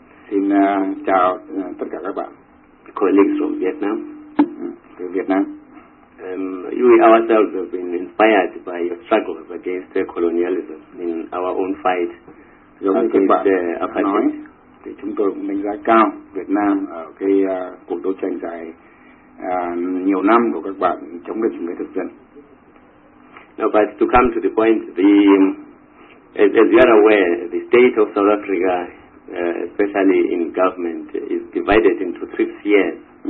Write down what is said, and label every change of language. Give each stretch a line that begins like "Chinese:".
Vietnamese: Xin chào tất cả các bạn.
English: Colleagues from Vietnam. Vietnam. We ourselves have been inspired by your struggle against colonialism in our own fight against apartheid.
Vietnamese: Thì chúng tôi đánh giá cao Việt Nam ở cái cuộc đấu tranh dài nhiều năm của các bạn chống lại chủ nghĩa thực dân.
English: Now, but to come to the point, the As you are aware, the state of South Africa, especially in government, is divided into three spheres.